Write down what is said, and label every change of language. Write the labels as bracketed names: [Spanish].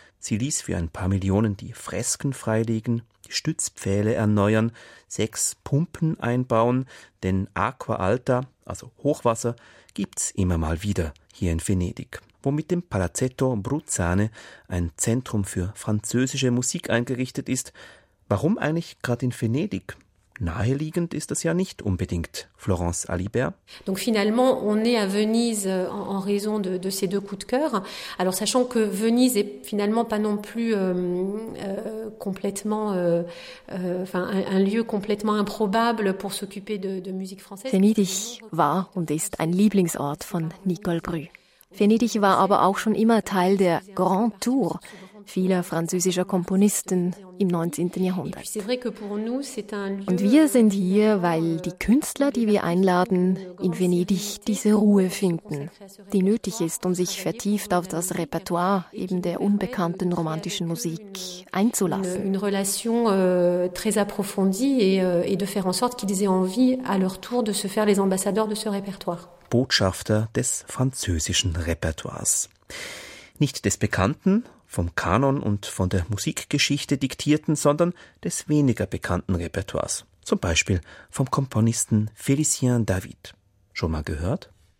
[German] Sie ließ für ein paar Millionen die Fresken freilegen, die Stützpfähle erneuern, 6 Pumpen einbauen, denn Aqua Alta, also Hochwasser, gibt's immer mal wieder hier in Venedig, wo mit dem Palazzetto Bruzzane ein Zentrum für französische Musik eingerichtet ist. Warum eigentlich gerade in Venedig? Naheliegend ist das ja nicht unbedingt, Florence Alibert. [French] Donc finalement, on est à Venise en raison de ces deux coups de cœur. Alors sachant que Venise est finalement pas non plus complètement, un lieu complètement improbable pour s'occuper de musique française. [German] Venedig war und ist ein Lieblingsort von Nicole Brü. Venedig war aber auch schon immer Teil der Grand Tour vieler französischer Komponisten im 19. Jahrhundert. Und wir sind hier, weil die Künstler, die wir einladen, in Venedig diese Ruhe finden, die nötig ist, um sich vertieft auf das Repertoire eben der unbekannten romantischen Musik einzulassen. [French] Une relation très approfondie et de faire en sorte qu'ils aient envie à leur tour de se faire les ambassadeurs de ce répertoire. [German] Botschafter des französischen Repertoires. Nicht des bekannten, vom Kanon und von der Musikgeschichte diktierten, sondern des weniger bekannten Repertoires. Zum Beispiel vom Komponisten Félicien David. Schon mal gehört?